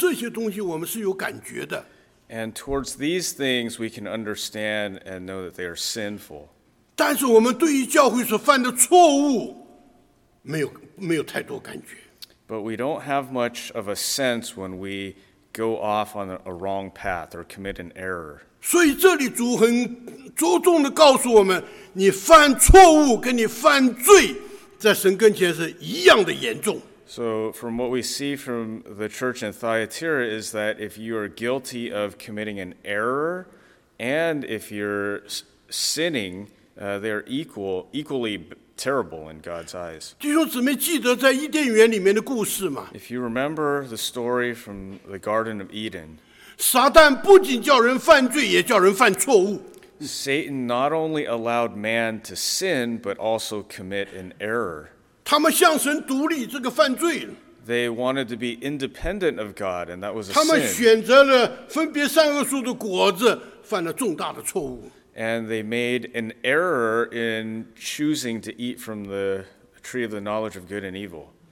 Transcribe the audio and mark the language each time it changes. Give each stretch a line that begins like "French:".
Chinese: 我们对教会中这些东西我们是有感觉的。
English: And towards these things we can understand and know that they are sinful.
Chinese: 但是我们对于教会所犯的错误没有太多感觉。
English: But we don't have much of a sense when we go off on a wrong path or commit an error.
Chinese: 所以这里主很着重地告诉我们，你犯错误跟你犯罪在神跟前是一样的严重。
English: So from what we see from the church in Thyatira is that if you are guilty of committing an error and if you're sinning, they're equally terrible in God's eyes.
Chinese: 弟兄姊妹记得在伊甸园里面的故事吗?
English: If you remember the story from the Garden of Eden,
Chinese: 撒旦不仅叫人犯罪，也叫人犯错误。
English: Satan not only allowed man to sin, but also commit an error.
Chinese: 他们向神独立这个犯罪。
English: They wanted to be independent of God, and that was a sin.
Chinese: 他们选择了分别善恶树的果子，犯了重大的错误。
English: And they made an error in choosing to eat from the tree of the knowledge of good and evil.